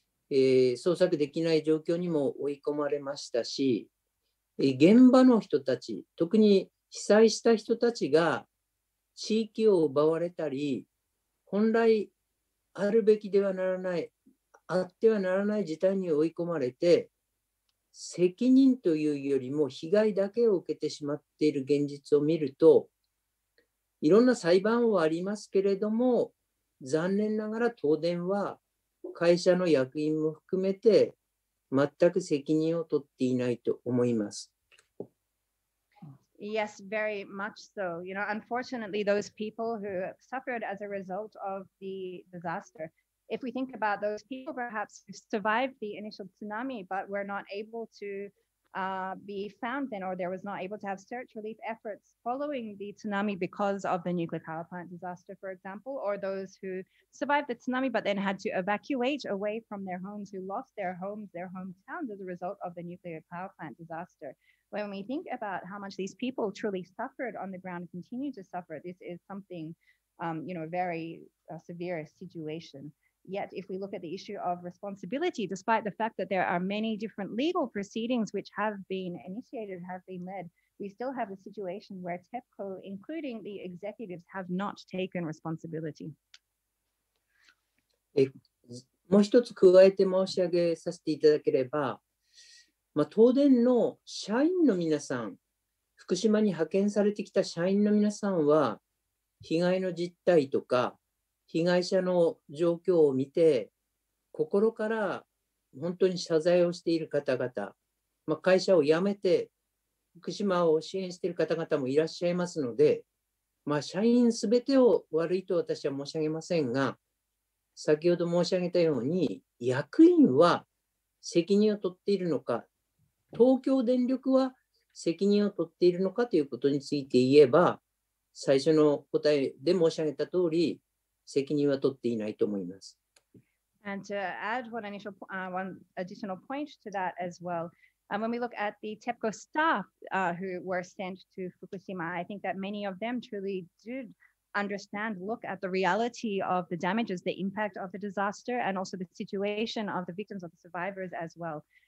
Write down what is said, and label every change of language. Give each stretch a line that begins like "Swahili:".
Japanese: 捜索できない状況にも追い込まれましたし、現場の人たち、特に被災した人たちが地域を奪われたり、本来あるべきではならないあってはならない事態に追い込まれて、責任というよりも被害だけを受けてしまっている現実を見ると、いろんな裁判はありますけれども、残念ながら東電は会社の役員も含めて全く責任を取っていないと思います。
English: Yes, very much so. You know, unfortunately, those people who suffered as a result of the disaster, if we think about those people, perhaps who survived the initial tsunami, but were not able to be found then, or there was not able to have search relief efforts following the tsunami because of the nuclear power plant disaster, for example, or those who survived the tsunami, but then had to evacuate away from their homes, who lost their homes, their hometowns as a result of the nuclear power plant disaster. When we think about how much these people truly suffered on the ground, continue to suffer, this is something, you know, very severe situation. Yet, if we look at the issue of responsibility, despite the fact that there are many different legal proceedings which have been initiated, have been led, we still have a situation where TEPCO, including the executives, have not taken responsibility.
Japanese: もう一つ加えて申し上げさせていただければ、まあ、東電の社員の皆さん、福島に派遣されてきた社員の皆さんは、被害の実態とか、被害者の状況を見て心から本当に謝罪をしている方々、まあ、会社を辞めて福島を支援している方々もいらっしゃいますので、まあ、社員すべてを悪いと私は申し上げませんが、先ほど申し上げたように役員は責任を取っているのか、東京電力は責任を取っているのかということについて言えば、最初の答えで申し上げた通り責任は取っていないと思います。
English: And to add one initial, one additional point to that as well, when we look at the TEPCO staff, who were sent to Fukushima, I think that many of them truly did understand, look at the reality of the damages, the impact of the disaster, and also the situation of the victims of the survivors as well.